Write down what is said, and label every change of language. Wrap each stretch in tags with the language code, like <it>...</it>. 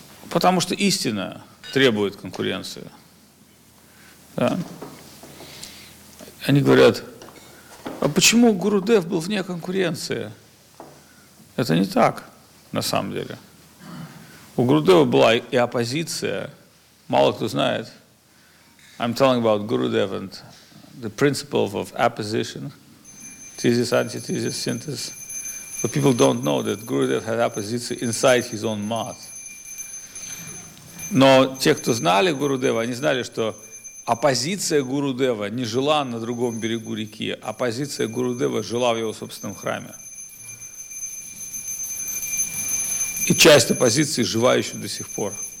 <ru>Потому что истина требует конкуренции. Да? Они говорят, а почему Гурудев был вне конкуренции? Это не так, на самом деле. У Гурудева была и оппозиция, мало кто знает.</ru> <en>I'm telling about Gurudev and the principle of opposition, thesis, antithesis, synthesis. But people don't know that Gurudev had opposition inside his own mind.</en> <ru>Но те, кто знали Гурудева, они знали, что оппозиция Гурудева не жила на другом берегу реки. Оппозиция Гурудева жила в его собственном храме. И часть оппозиции жива еще до сих пор.</ru>